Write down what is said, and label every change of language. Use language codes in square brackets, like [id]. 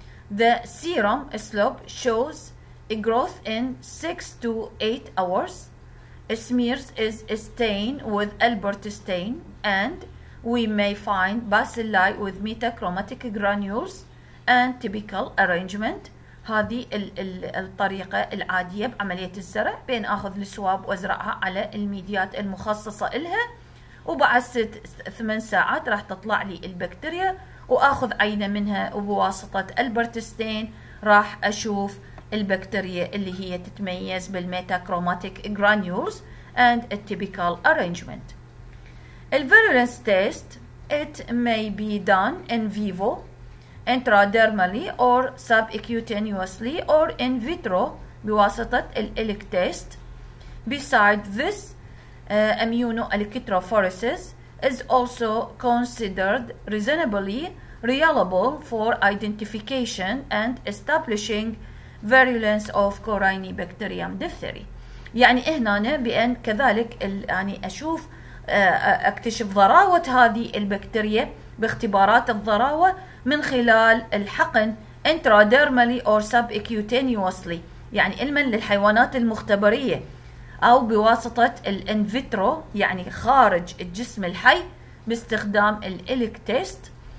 [en] The serum slope shows a growth in 6 to 8 hours. Smears is stained with Albert stain and we may find bacilli with metachromatic granules and typical arrangement. [ar] هذه الطريقة العادية بعملية الزرع، بين أخذ السواب وأزرعها على الميديات المخصصة إلها وبعد 6-8 ساعات راح تطلع لي البكتيريا وأخذ عينة منها وبواسطة Albert stain راح أشوف البكتيريا اللي هي تتميز بالميتاكروماتيك جرانيولز [en] and a typical arrangement. Virulence test it may be done in vivo intradermally or subcutaneously or in vitro [ar] بواسطة الإليك تيست. [en] Besides this immunoelectrophoresis is also considered reasonably reliable for identification and establishing Virulence of Corynebacterium diphtheriae. [ar] يعني هنا بأن كذلك يعني أشوف أكتشف ضراوة هذه البكتيريا باختبارات الضراوة من خلال الحقن [en] intradermally or subcutaneously، [ar] يعني إما للحيوانات المختبرية أو بواسطة الإن فيترو يعني خارج الجسم الحي باستخدام الإليك تيست،